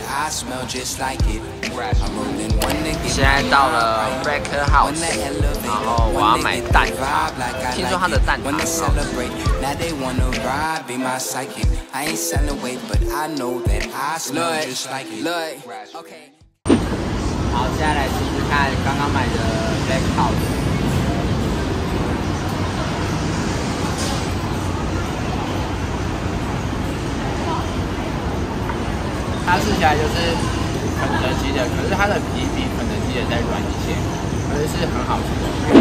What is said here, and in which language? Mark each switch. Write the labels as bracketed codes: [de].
[zh] 现在到了 Breaker House， 然后我要买蛋挞。听说他的蛋挞很好吃。 [en] Now they wanna ride, be my psychic. I ain't selling weight, but I know that I smell just like it. Look, okay. [zh] 好，接下来试试看刚刚买的 Black House。它吃起来就是肯德基的，可是它的皮比肯德基的再软一些，而且是很好吃的。